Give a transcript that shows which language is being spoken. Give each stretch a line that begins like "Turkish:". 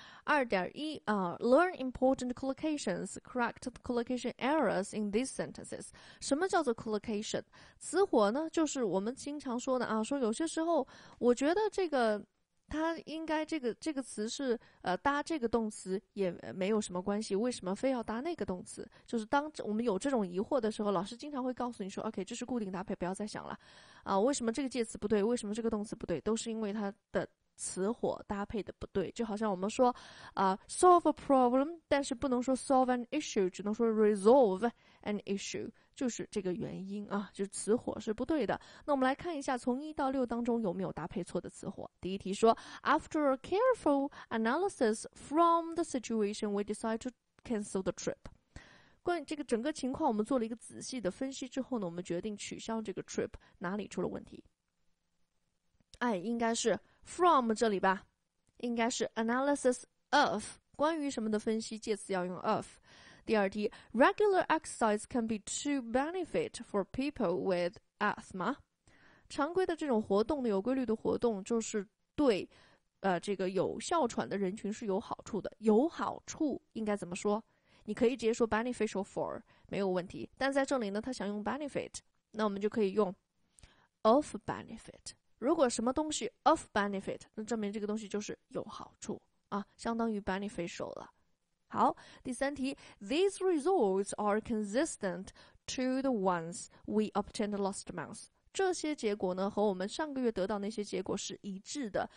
English: 2.1, learn important collocations, correct the collocation errors in these sentences.
Chinese: 什么叫做 collocation? 词活呢就是我们经常说的啊，说有些时候我觉得这个它应该这个词是搭这个动词也没有什么关系，为什么非要搭那个动词？就是当我们有这种疑惑的时候，老师经常会告诉你说 OK, 这是固定搭配，不要再想了。为什么这个介词不对，为什么这个动词不对，都是因为它的词火搭配的不对。就好像我们说
English: solve a problem,
Chinese: 但是不能说
English: solve an issue,
Chinese: 只能说
English: resolve an issue,
Chinese: 就是这个原因啊，就是词火是不对的。那我们来看一下从一到六当中有没有搭配错的词火。第一题说
English: After a careful analysis from the situation, we decide to cancel the trip.
Chinese: 关于这个整个情况我们做了一个仔细的分析之后呢，我们决定取消这个 trip, 哪里出了问题？哎，应该是from 这里吧，应该是
English: analysis of,
Chinese: 关于什么的分析，介词要用 of。第二题
English: regular exercise can be to benefit for people with asthma,
Chinese: 常规的这种活动的有规律的活动就是对这个有哮喘的人群是有好处的。有好处应该怎么说？你可以直接说
English: beneficial for,
Chinese: 没有问题，但在这里呢他想用 benefit, 那我们就可以用
English: of benefit。
Chinese: 如果什么东西
English: of benefit,
Chinese: 那证明这个东西就是有好处啊，相当于 beneficial 了。好，第三题
English: These results are consistent to the ones we obtained last month.
Chinese: 这些结果呢和我们上个月得到那些结果是一致的。